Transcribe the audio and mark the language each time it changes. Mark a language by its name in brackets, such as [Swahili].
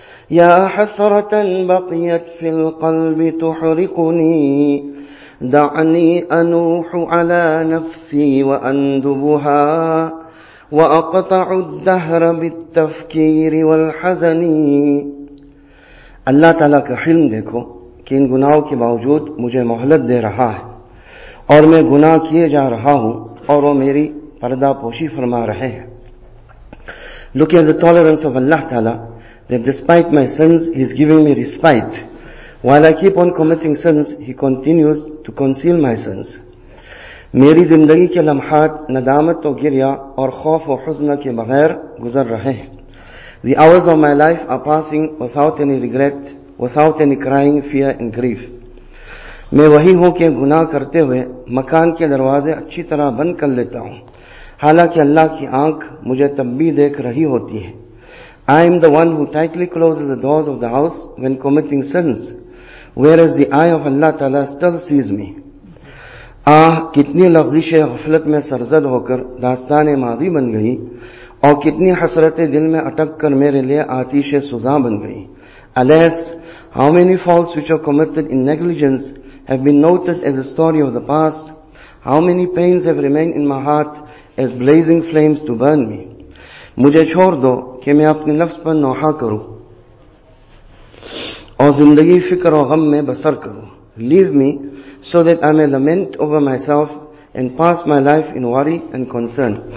[Arabic] يا حسرة بقيت في القلب تحرقني دعني أنوح على نفسي وأندبها وأقطع الدهر بالتفكير والحزن. [Urdu] الله تعالى كحلم دیکھو کہ ان گناہوں کے باوجود مجھے مہلت دے رہا ہے اور میں گناہ کیے جا رہا ہوں اور وہ میری پردہ پوشی فرما رہے ہیں. [English] Look at the tolerance of Allah Ta'ala, that despite my sins, He is giving me respite. While I keep on committing sins, He continues to conceal my sins. [Urdu] میری زندگی کے لمحات ندامت و گریہ اور خوف و حزن کے بغیر گزر رہے ہیں. [English] The hours of my life are passing without any regret, without any crying, fear and grief. [Urdu] میں وہی ہوں کہ گناہ کرتے ہوئے مکان کے دروازے اچھی طرح بند کر لیتا ہوں. حالانکہ اللہ کی آنکھ مجھے تب بھی دیکھ رہی ہوتی ہے. [English] I am the one who tightly closes the doors of the house when committing sins, whereas the eye of Allah Ta'ala still sees me. [Urdu] آہ, کتنی لغزش غفلت میں سرزد ہو کر داستان ماضی بن گئی, اور کتنی حسرت دل میں اٹک کر میرے لیے آتش سوزاں بن گئی. [English] Alas, how many faults which are committed in negligence have been noted as a story of the past, how many pains have remained in my heart as blazing flames to burn me. [Urdu] مجھے چھوڑ دو کہ میں اپنے نفس پر نوحہ کروں اور زندگی فکر و غم میں بسر کروں. [English] Leave me so that I may lament over myself and pass my life in worry and concern.